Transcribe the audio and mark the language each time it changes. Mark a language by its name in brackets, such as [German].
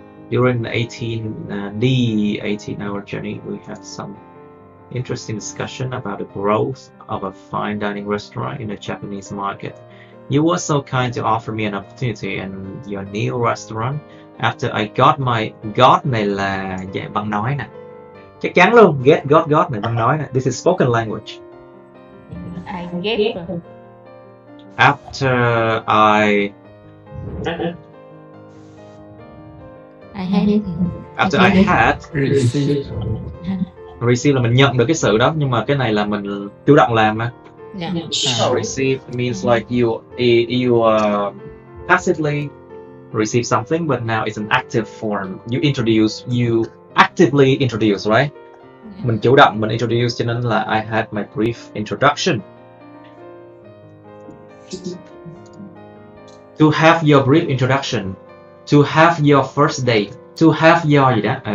[English] During the 18 hour journey, we had some interesting discussion about the growth of a fine dining restaurant in the Japanese market. You were so kind to offer me an opportunity in your new restaurant. After I got my God [Vietnamese] này là dạy bằng nói nè, chắc chắn luôn. Get God này bằng nói nè. [English] This is spoken language. I get. After I. I had. After I had. [Vietnamese] Receive là mình nhận được cái sự đó, nhưng mà cái này là mình chủ động làm á. [English] Receive means like you passively receive something, but now it's an active form. You actively introduce, right? Yeah. [Vietnamese] Mình chủ động, mình introduce, cho nên là [English] I had my brief introduction. To have your brief introduction, to have your first date, to have your gì đó.